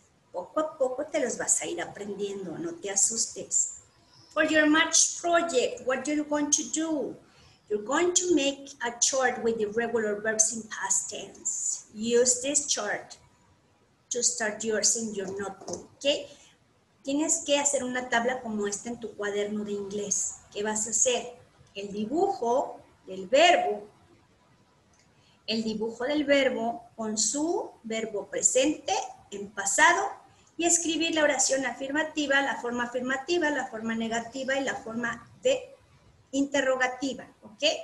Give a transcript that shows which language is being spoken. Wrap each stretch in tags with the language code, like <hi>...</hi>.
<es>Poco a poco te los vas a ir aprendiendo, no te asustes.</es> <en>For your March project, what are you going to do? You're going to make a chart with irregular verbs in past tense. Use this chart to start yours in your notebook. Okay?</en> <es>Tienes que hacer una tabla como esta en tu cuaderno de inglés. ¿Qué vas a hacer? El dibujo del verbo, el dibujo del verbo con su verbo presente en pasado y escribir la oración afirmativa, la forma negativa y la forma de interrogativa, ¿ok?</es>